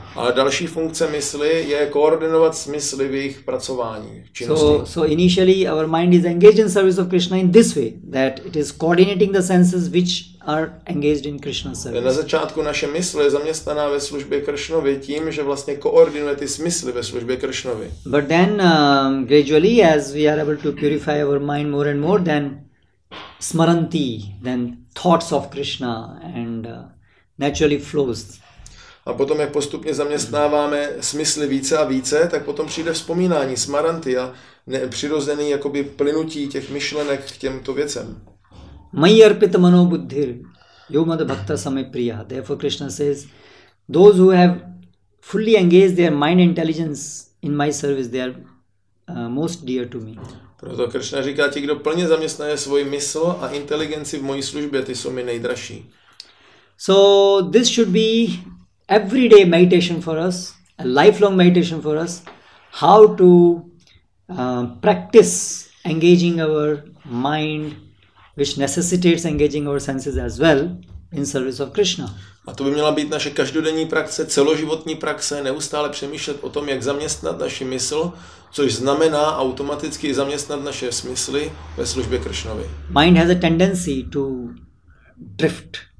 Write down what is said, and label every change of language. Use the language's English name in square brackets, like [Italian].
[Czech] A další funkce mysli je koordinovat smysly v jejich pracování, v činnosti. [English] So initially our mind is engaged in service of Krishna in this way, that it is coordinating the senses which are engaged in Krishna's service. [Czech] Na začátku naše mysl je zaměstnaná ve službě Krishnovi tím, že vlastně koordinuje ty smysly ve službě Krishnovi. [English] But then gradually as we are able to purify our mind more and more, then smaranti, then thoughts of Krishna and naturally flows. [Czech] A potom, jak postupně zaměstnáváme smysly více a více, tak potom přijde vzpomínání, smaranty a přirozený jakoby plynutí těch myšlenek k těmto věcem. [Sanskrit] Mai arpita mano buddhir, yo mad bhakta same priya. [English] Therefore Krishna says, those who have fully engaged their mind intelligence in my service, they are most dear to me. [Czech] Proto Krishna říká, ti, kdo plně zaměstnáje svoji mysl a inteligenci v mojí službě, ty jsou mi nejdražší. [English] So this should be everyday meditation for us, a lifelong meditation for us, how to practice engaging our mind, which necessitates engaging our senses as well, in service of Krishna. [Czech] A to by měla být naše každodenní praxe, celoživotní praxe, neustále přemýšlet o tom, jak zaměstnat naši mysl, což znamená automaticky zaměstnat naše smysly ve službě Krishnovi. [English] Mind has a tendency to drift.